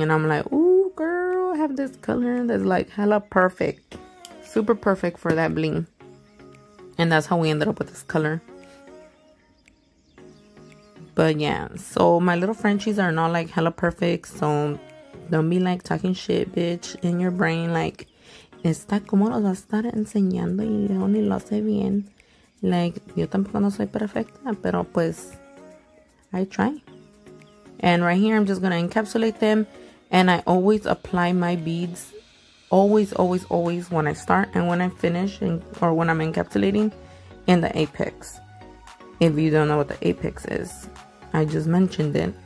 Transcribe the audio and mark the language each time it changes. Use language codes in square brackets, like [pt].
[en] And I'm like, ooh, girl, I have this color that's like hella perfect. Super perfect for that bling. And that's how we ended up with this color. But yeah, so my little Frenchies are not like hella perfect. So don't be like talking shit, bitch, in your brain. [es] Like, está como los va a estar enseñando y yo ni lo sé bien. Like, yo tampoco no soy perfecta, pero pues, [en] I try. And right here, I'm just going to encapsulate them. And I always apply my beads. Always, always, always when I start and when I finish or when I'm encapsulating in the apex. If you don't know what the apex is, I just mentioned it.